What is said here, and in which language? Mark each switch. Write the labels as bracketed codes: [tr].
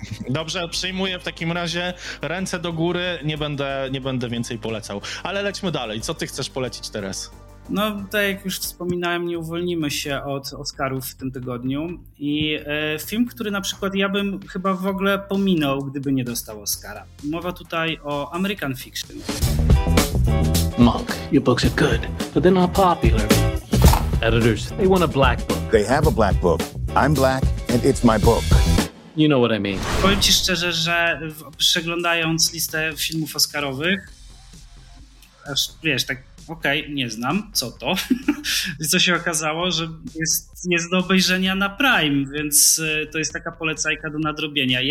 [pl] Dobrze, przyjmuję w takim razie, ręce do góry, nie będę więcej polecał, ale lećmy dalej, co ty chcesz polecić teraz? No, tak jak już wspominałem, nie uwolnimy się od Oscarów w tym tygodniu i film, który na przykład ja bym chyba w ogóle pominął, gdyby nie dostał Oscara. Mowa tutaj o American Fiction. [en] Monk, your books are good, but they're not popular. Editors, they want a black book. They have a black book. I'm black and it's my book. You know what I mean. [pl] Powiem ci szczerze, że przeglądając listę filmów oscarowych, aż wiesz, tak okej, nie znam, co to? Co się okazało, że jest do obejrzenia na Prime, więc to jest taka polecajka do nadrobienia.